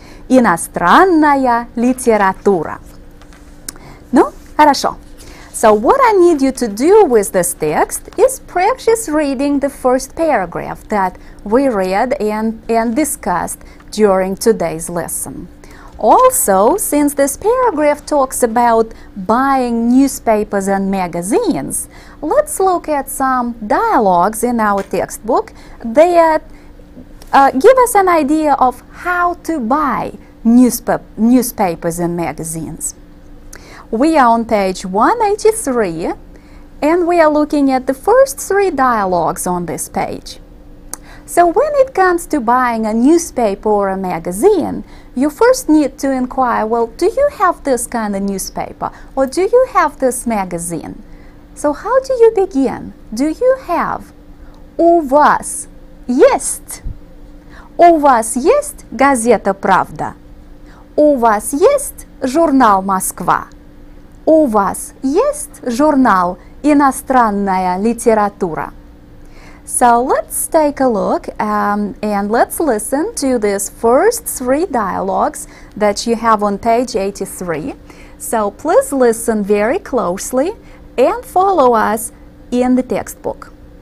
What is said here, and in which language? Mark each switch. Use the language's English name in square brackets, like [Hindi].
[Russian] Иностранная литература. Ну, хорошо. [English] So what I need you to do with this text is practice reading the first paragraph that we read and discussed during today's lesson. Also, since this paragraph talks about buying newspapers and magazines, let's look at some dialogues in our textbook that give us an idea of how to buy newspapers and magazines. We are on page 183, and we are looking at the first three dialogues on this page. So when it comes to buying a newspaper or a magazine, you first need to inquire, well, do you have this kind of newspaper or do you have this magazine? So how do you begin? Do you have? [Russian] У вас есть? У вас есть газета «Правда»? У вас есть журнал «Москва»? У вас есть журнал «Иностранная литература»? [English] So let's take a look and let's listen to these first three dialogues that you have on page 83. So please listen very closely and follow us in the textbook.